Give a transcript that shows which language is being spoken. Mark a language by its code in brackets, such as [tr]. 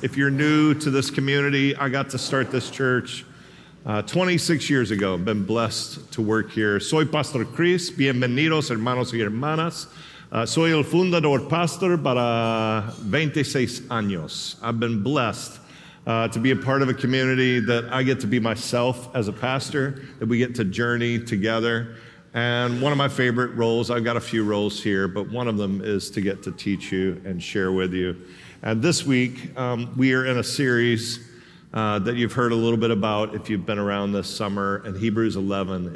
[en] If you're new to this community, I got to start this church 26 years ago. I've been blessed to work here. [es] Soy Pastor Chris. Bienvenidos, hermanos y hermanas. Soy el fundador pastor para 26 años. [en] I've been blessed to be a part of a community that I get to be myself as a pastor, that we get to journey together. And one of my favorite roles, I've got a few roles here, but one of them is to get to teach you and share with you. And this week, we are in a series that you've heard a little bit about if you've been around this summer, in Hebrews 11.